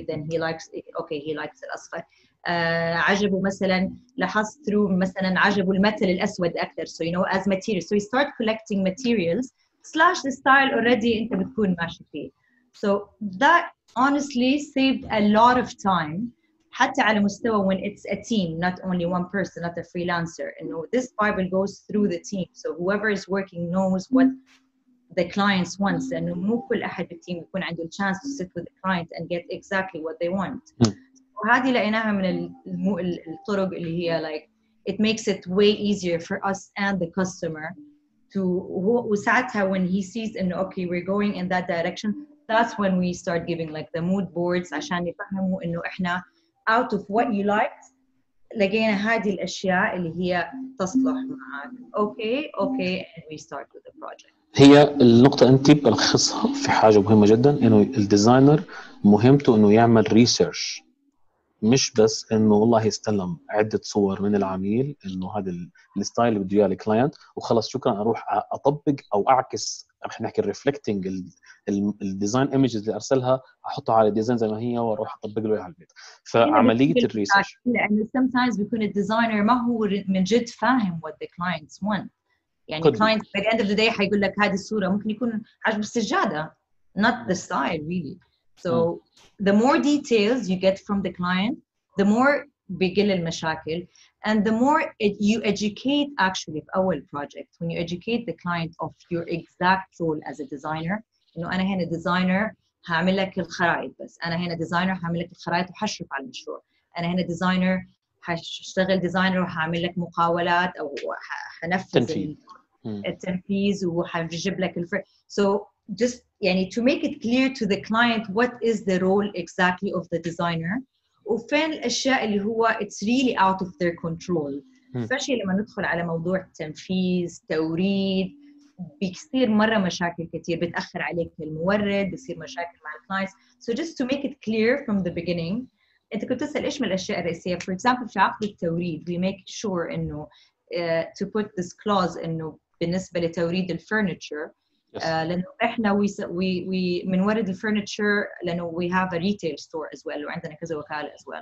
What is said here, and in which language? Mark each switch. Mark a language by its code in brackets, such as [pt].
[en] He likes, okay, he likes the asfar. [ar] عجبوا مثلا, لاحظت [en] through [ar] مثلا عجبوا المثل الأسود أكثر. [en] So you know, as materials. So you start collecting materials slash the style already [ar] أنت بتكون ماشي فيه. [en] So that honestly saved a lot of time. [ar] حتى على مستوى [en] when it's a team, not only one person, not a freelancer. And you know, this Bible goes through the team. So whoever is working knows what the clients want. And [ar] مو كل أحد بالتيم يكون عنده [en] chance to sit with the client and get exactly what they want. [ar] وهذه لقيناها من الطرق اللي هي [en] like, it makes it way easier for us and the customer to, وساعتها when he sees and okay, we're going in that direction, that's when we start giving like the mood boards [ar] عشان يفهموا انه احنا [en] out of what you liked, [ar] لقينا هذه الأشياء اللي هي تصلح معك. [en] Okay, okay, and we start with the project. [ar] هي النقطة أنت بلخصها في حاجة مهمة جدا, إنه الديزاينر مهمته إنه يعمل ريسيرش, مش بس إنه والله يستلم عدة صور من العميل إنه هذا الستايل اللي بده إياه الكلاينت وخلاص شكرا أروح أطبق أو أعكس, إحنا نحكي reflecting الديزاين ايمجز اللي ارسلها احطه على ديزاين زي ما هي واروح اطبق له اياها على البيت. فعمليه الريسيرش لانه سم تايمز بيكون الديزاينر ما هو من جد فاهم [en] what the clients want. [ar] يعني client [en] by the end of the day [ar] حيقول لك هذه الصوره ممكن يكون عاجب السجاده [en] not the style really. So the more details you get from the client, the more [ar] بيقل المشاكل, [en] and the more you educate actually [ar] في اول [en] project when you educate the client of your exact role as a designer. [ar] إنه أنا هنا ديزاينر هعمل لك الخرائط بس, أنا هنا ديزاينر هعمل لك الخرائط وحشرف على المشروع, أنا هنا ديزاينر هشتغل ديزاينر وهعمل لك مقاولات أو هنفذ التنفيذ وهجيب لك الفرق. [en] So just يعني to make it clear to the client what is the role exactly of the designer [ar] وفين الأشياء اللي هو [en] it's really out of their control. [ar] فشي لما ندخل على موضوع التنفيذ توريد بيصير مرة مشاكل كتير, بتأخر عليك المورد, بيصير مشاكل مع الكلاينتس. [en] So just to make it clear from the beginning, [ar] انت كنت تسأل ايش من الأشياء الرئيسية. [en] For example, [ar] في عقد التوريد [en] we make sure انه to put this clause [ar] انه بالنسبة لتوريد الفرنتشر. لأنه احنا [en] we [ar] منورد الفرنتشر لأنه [en] we have a retail store as well [ar] وعندنا كذا وكالة [en] as well